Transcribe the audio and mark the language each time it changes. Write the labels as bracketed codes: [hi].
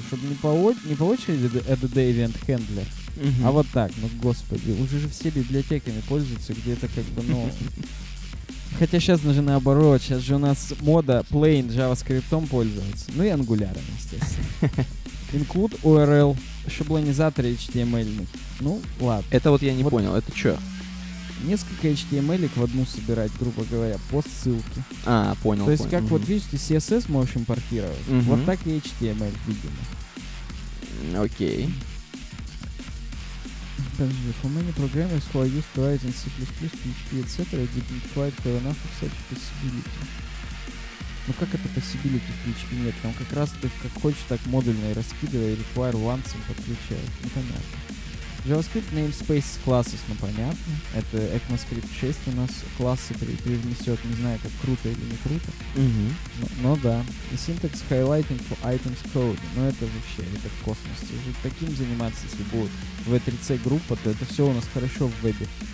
[ru] Чтобы не по очереди add event handler, а вот так. Ну, господи, уже же все библиотеками пользуются, где это как бы, ну... Хотя сейчас же наоборот, сейчас же у нас мода plain JavaScript пользоваться. Ну и Angular, естественно. [en] Include URL, [ru] шаблонизатор [en] HTML. [ru] Ну, ладно. Это вот я не понял, это что? Несколько HTML-ик в одну собирать, грубо говоря, по ссылке. А, понял. То есть, как вот видите, CSS мы, в общем, портировали. Угу. Вот так и HTML, видимо. Окей. Подожди, [en] for many programmers who are used to writing C++, PHP, etc., didn't quite have enough of such possibility. [ru] Ну как это possibility в PHP нет? Там как раз ты как хочешь, так модульно и раскидывай, require once подключает. Ну понятно. [en] JavaScript namespaces classes, [ru] ну понятно. Это ECMAScript 6 у нас классы привнесет, не знаю, как круто или не круто. Mm-hmm. Но да. И [en] syntax highlighting for items code. [ru] Ну это вообще, это в космосе. Уже таким заниматься, если будет V3C группа, то это все у нас хорошо в вебе.